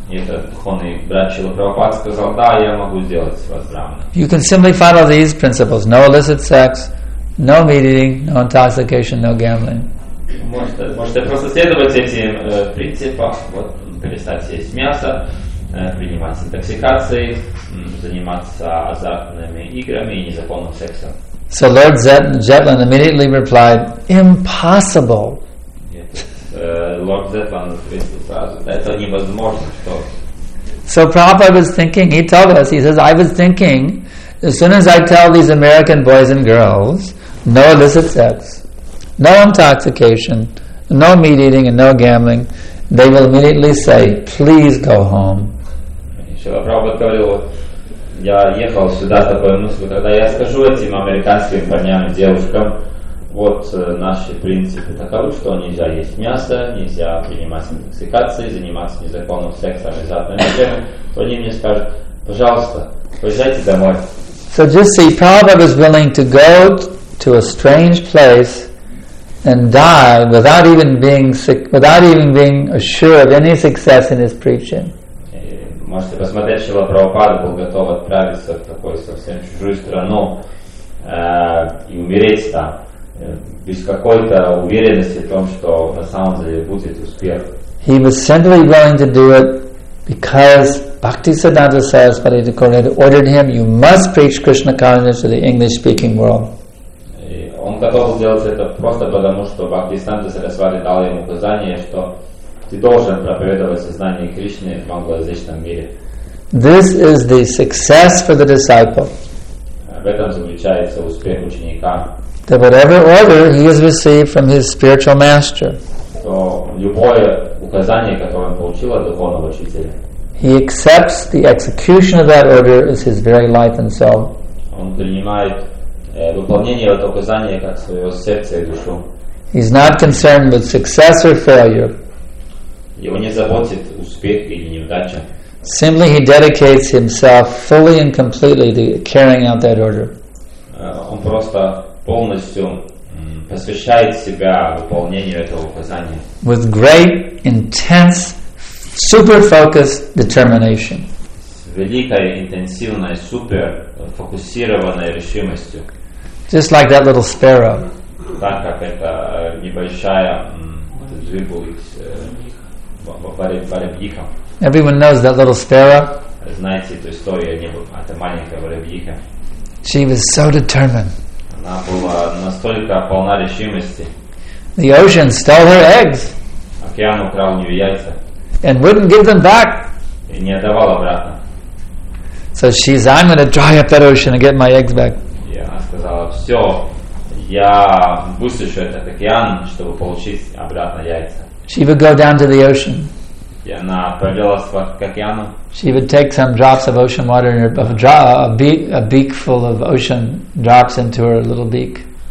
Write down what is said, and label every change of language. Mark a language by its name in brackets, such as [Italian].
[English] You can simply follow these principles: no illicit sex, no meat eating, no intoxication, no gambling. [Russian] Можете просто следовать этим принципам, вот перестать есть мясо, принимать интоксикации, заниматься азартными играми и незаконным сексом. [English] So Lord Zetland immediately replied, "Impossible." Lord Zetland replied, [Russian] "Это невозможно, что." [English] So Prabhupada was thinking, he told us, he says, I was thinking, as soon as I tell these American boys and girls, no illicit sex, no intoxication, no meat eating and no gambling, they will immediately say, please go home. [Russian] Шрила Прабхупада говорил, я ехал сюда с такой мыслью, когда я скажу этим американским парням и девушкам, вот наши принципы таковы, что нельзя есть мясо, нельзя принимать интоксикации, заниматься незаконным сексом и западными делами, то они мне скажут, пожалуйста, поезжайте домой. [English] So just see, Prabhupada was willing to go to a strange place and die without even being sick, without even being assured of any success in his preaching. [Russian] Можете посмотреть, что Прабхупада был готов отправиться в такую совсем чужую страну и умереть там без какой-то уверенности в том, что на самом деле будет успех. [English] He was simply willing to do it because Bhakti Siddhanta Saraswati Thakur had ordered him, you must preach Krishna consciousness to the English-speaking world. [Russian] Он готов сделать это просто потому, что Бхакти Сиддханта Сарасвати дал ему указание, что ты должен проповедовать сознание Кришны в англоязычном мире. [English] This is the success for the disciple. [Russian] В этом заключается успех ученика. [English] That whatever order he has received from his spiritual master, [Russian] то любое указание, которое он получил от духовного учителя, [English] he accepts the execution of that order as his very life and soul. [Russian] Он принимает выполнение этого указания как своего сердца и душу. [English] He's not concerned with success or failure. [Russian] Его не заботит успех или неудача. [English] Simply he dedicates himself fully and completely to carrying out that order. [Russian] Он просто полностью посвящает себя выполнению этого указания. [English] With great, intense, super focused determination. [Russian] С великой, интенсивной, супер фокусированной решимостью. [English] Just like that little sparrow. [Russian] Так как эта небольшая дзвиглась воробьиха. [English] Everyone knows that little sparrow. [Russian] Знаете эту историю о маленькой воробьихе? [English] She was so determined. [Russian] Она была настолько полна решимости. [English] The ocean stole her eggs. [Russian] Океан украл у нее яйца. [English] And wouldn't give them back. [Russian] И не отдавал обратно. [English] So she said, "I'm going to dry up that ocean and get my eggs back." [Russian] И она сказала, "Все, я высушу этот океан, чтобы получить обратно яйца." [English] She would go down to the ocean. [Russian] И она отправлялась к океану. [English] She would take some drops of ocean water in her a beak full of ocean drops into her little beak.